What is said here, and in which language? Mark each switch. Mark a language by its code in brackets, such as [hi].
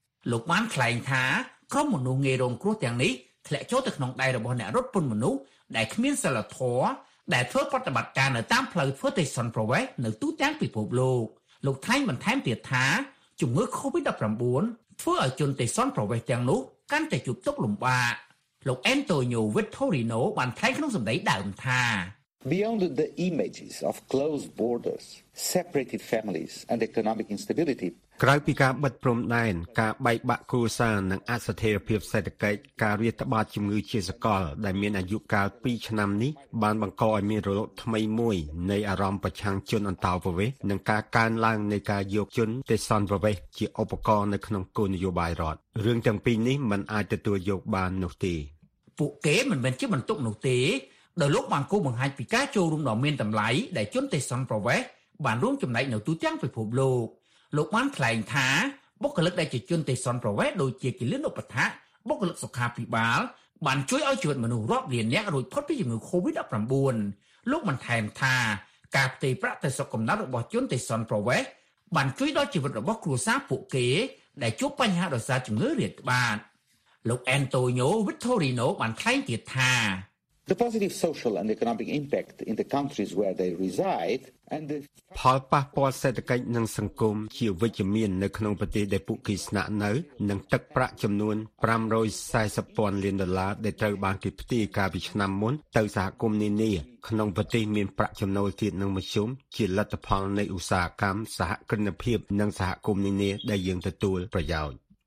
[km] លោកបានថ្លែងថាក្រុមមនុស្សងាយរងគ្រោះទាំងនេះធ្លាក់ចូលទៅក្នុងដៃរបស់អ្នករត់ពុនមនុស្សដែលគ្មានសីលធម៌ដែលធ្វើបដិបត្តិការនៅតាមផ្លូវធ្វើទេសន្តប្រវេសនៅទូទាំងពិភពលោកលោកថ្លែងបន្ថែមទៀតថាជំងឺ COVID-19 ធ្វើឲ្យជនទេសន្តប្រវេសទាំងនោះកាន់តែជួបទុក្ខលំបាកលោកអែនតូញ៉ូវីតូរីណូបានថ្លែងក្នុងសម្ដីដើមថា [en] Beyond the images of closed borders, separated families, and economic instability, [km] ក្រៅពីការបិទព្រំដែនការបែកបាក់គ្រួសារនិងអស្ថិរភាពសេដ្ឋកិច្ចការរាតត្បាតជំងឺជាសកលដែលមានអាយុកាល2ឆ្នាំនេះបានបង្កឲ្យមានរលកថ្មីមួយនៃអារម្មណ៍ប្រឆាំងជនអន្តោប្រវេសន៍និងការកើនឡើងនៃការយកជនទេសន្តប្រវេសន៍ជាឧបករណ៍នៅក្នុងគោលនយោបាយរដ្ឋរឿងទាំងពីរនេះមិនអាចទទួលយកបាននោះទេ ពួកគេមិនមែនជាបន្ទុកនោះទេដោយលោកបានគូបង្ហាញពីការចូលរួមដ៏មានតម្លៃដែលជនទេសន្តប្រវេសបានរួមចំណែកនៅទូទាំងពិភពលោកលោកបានថ្លែងថាបុគ្គលិកដែលជាជនទេសន្តប្រវេសដូចជាគិលានឧបដ្ឋាកបុគ្គលិកសុខាភិបាលបានជួយឲ្យជីវិតមនុស្សរាប់លានអ្នករួចផុតពីជំងឺ COVID-19 លោកបានថែមថាការផ្ទេរប្រាក់ទៅសុខកំណត់របស់ជនទេសន្តប្រវេសបានជួយដល់ជីវិតរបស់គ្រួសារពួកគេដែលជួបបញ្ហាដោយសារជំងឺរាតត្បាតលោកអែនតូញ៉ូវីតូរីណូបានថ្លែងទៀតថា [en] The positive social and economic impact in the countries where they reside and the [km] ផលប៉ះពាល់សេដ្ឋកិច្ចនិងសង្គមជាវិជ្ជមាននៅក្នុងប្រទេសដែលពួកគេស្នាក់នៅនឹងទឹកប្រាក់ចំនួន540,000ពាន់លានដុល្លារដែលត្រូវបានគេផ្ទេរកាលពីឆ្នាំមុនទៅសហគមន៍នានាក្នុងប្រទេសមានប្រាក់ចំណូលទាបនិងមធ្យមជាលទ្ធផលនៃឧស្សាហកម្មសហគ្រិនភាពនិងសហគមន៍នានាដែលយើងទទួលប្រយោជន៍